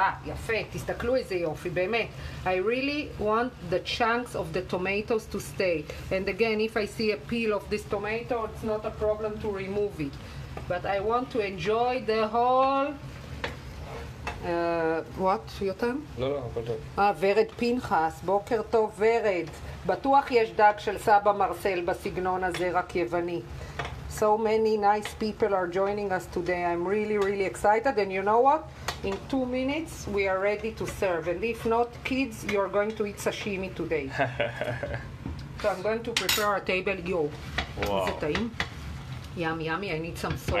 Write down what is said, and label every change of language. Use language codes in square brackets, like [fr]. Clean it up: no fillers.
[he] יפה, תסתכלו איזה יופי, באמת. [en] I really want the chunks of the tomatoes to stay. And again, if I see a peel of this tomato, it's not a problem to remove it. But I want to enjoy the whole... what, יותם? [he] לא, בטוח. ורד פנחס, בוקר טוב, ורד. בטוח יש דג של סבא מרסל בסגנון הזה, רק יווני. [en] So many nice people are joining us today. I'm really, really excited. And you know what? In 2 minutes, we are ready to serve. And if not, kids, you're going to eat sashimi today. So I'm going to prepare our table. Yo. Wow. Is it time? Yummy. I need some salt.